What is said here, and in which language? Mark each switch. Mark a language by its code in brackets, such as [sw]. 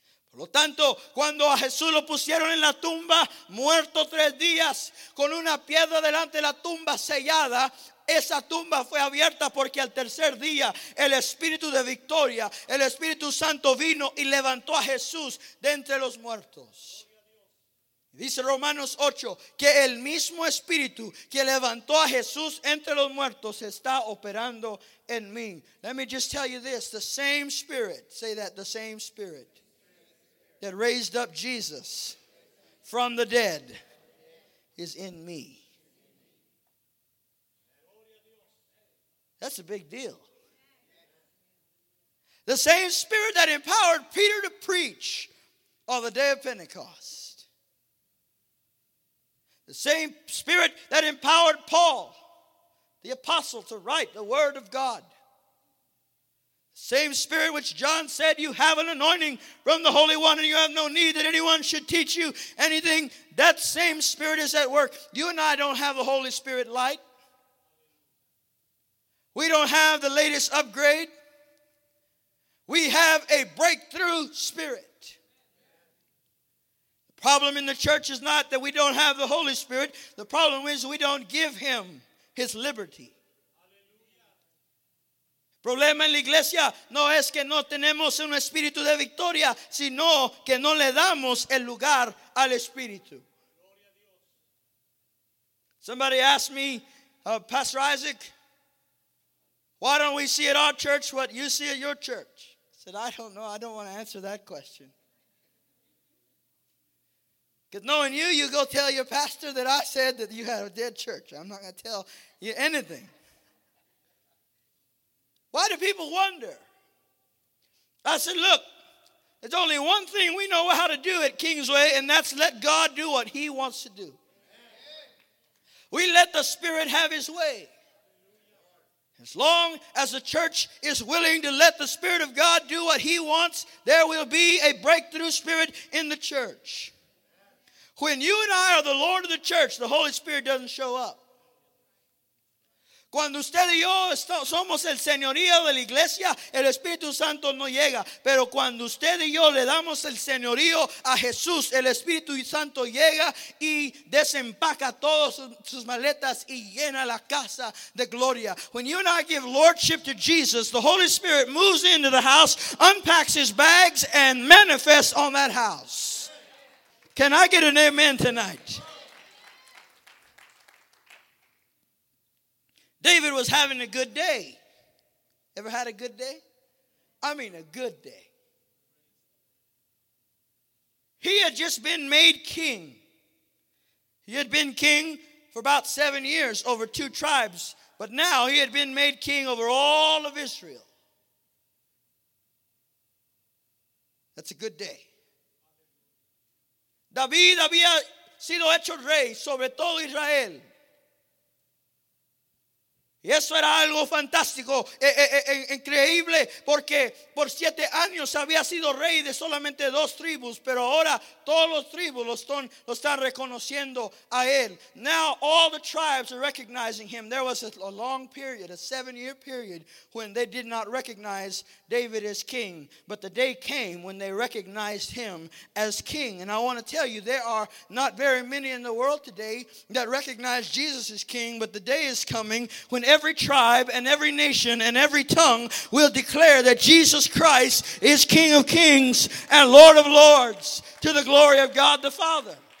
[es] Por lo tanto, cuando a Jesús lo pusieron en la tumba, muerto 3 días, con una piedra delante de la tumba sellada, esa tumba fue abierta porque al tercer día el Espíritu de victoria, el Espíritu Santo vino y levantó a Jesús de entre los muertos. Dice Romanos 8 que el mismo Espíritu que levantó a Jesús entre los muertos está operando en mí. [en] Let me just tell you this, the same Spirit, say that, the same Spirit that raised up Jesus from the dead is in me. That's a big deal. The same Spirit that empowered Peter to preach on the day of Pentecost. The same Spirit that empowered Paul, the apostle, to write the Word of God. The same Spirit which John said, you have an anointing from the Holy One and you have no need that anyone should teach you anything. That same Spirit is at work. You and I don't have a Holy Spirit light. We don't have the latest upgrade. We have a breakthrough spirit. The problem in the church is not that we don't have the Holy Spirit. The problem is we don't give him his liberty. [es] El problema en la iglesia no es que no tenemos un espíritu de victoria, sino que no le damos el lugar al espíritu. [en] Somebody asked me, Pastor Isaac, why don't we see at our church what you see at your church? I said, I don't know. I don't want to answer that question. Because knowing you, you go tell your pastor that I said that you had a dead church. I'm not going to tell you anything. Why do people wonder? I said, look, there's only one thing we know how to do at Kingsway, and that's let God do what he wants to do. We let the Spirit have his way. As long as the church is willing to let the Spirit of God do what he wants, there will be a breakthrough spirit in the church. When you and I are the Lord of the church, the Holy Spirit doesn't show up. [es] Cuando usted y yo somos el señorío de la iglesia, el Espíritu Santo no llega. Pero cuando usted y yo le damos el señorío a Jesús, el Espíritu Santo llega y desempaca todas sus maletas y llena la casa de gloria. [en] When you and I give lordship to Jesus, the Holy Spirit moves into the house, unpacks his bags, and manifests on that house. Can I get an amen tonight? David was having a good day. Ever had a good day? I mean a good day. He had just been made king. He had been king for about 7 years over 2 tribes, But now he had been made king over all of Israel. That's a good day. [es] David había sido hecho rey sobre todo Israel. Y eso era algo fantástico, increíble, porque por 7 años había sido rey de solamente 2 tribus, pero ahora todos los tribus lo están reconociendo a él. [en] Now all the tribes are recognizing him. There was a long period, a 7-year period, when they did not recognize David as king. But the day came when they recognized him as king. And I want to tell you, there are not very many in the world today that recognize Jesus as king, but the day is coming when every tribe and every nation and every tongue will declare that Jesus Christ is King of Kings and Lord of Lords, to the glory of God the Father.